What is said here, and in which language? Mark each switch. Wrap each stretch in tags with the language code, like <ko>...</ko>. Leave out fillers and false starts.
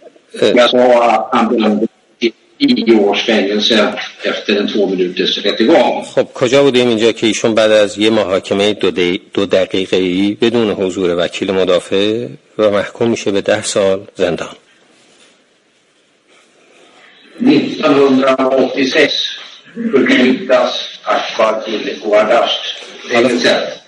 <sv>Jag sa att han blev 10 års fängelse efter en 2 minuters rättegång.</sv> <fa>خب کجا بودیم اینجا که ایشون بعد از یه محاکمه 2 دقیقه‌ای بدون حضور وکیل مدافع و محکوم میشه به 10 سال زندان.</fa> <sv>1986 förflyttas Akbar till Ouaddasht fängelse.</sv>